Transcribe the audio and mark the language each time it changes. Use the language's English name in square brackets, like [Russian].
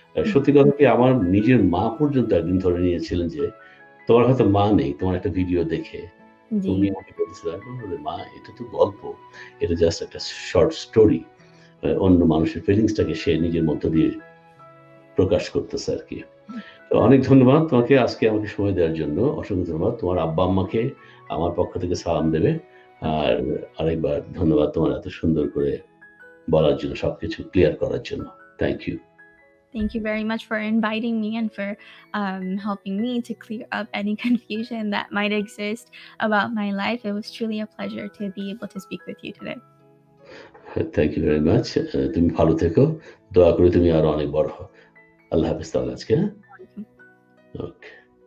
[Bangla] সত্যি কথা কি, আমার নিজের মা পর্যন্ত একদিন ধরে নিয়েছিলেন যে তোমার হয়তো মা নেই, তোমার একটা ভিডিও দেখে তুমি বলেছিলে মা এটা তো গল্প, এটা জাস্ট একটা শর্ট স্টোরি, অন্য মানুষের ফিলিংসটাকে সে নিজের মধ্য দিয়ে প্রকাশ করতেছে আর কি। তো অনেক ধন্যবাদ তোমাকে আজকে আমাকে সময় দেওয়ার জন্য, অসংখ্য ধন্যবাদ। তোমার আব্বা আম্মাকে আমার পক্ষ থেকে সালাম দেবে, আর আরেকবার ধন্যবাদ তোমার এত সুন্দর করে বলার জন্য, সবকিছু ক্লিয়ার করার জন্য। Thank you. [English] Thank you very much for inviting me and for helping me to clear up any confusion that might exist about my life. It was truly a pleasure to be able to speak with you today. Thank you very much. [Bangla] তুমি ভালো থেকো, দোয়া করি তুমি আরো অনেক বড় হও। আল্লাহ হাফেজ তাহলে আজকে। Okay.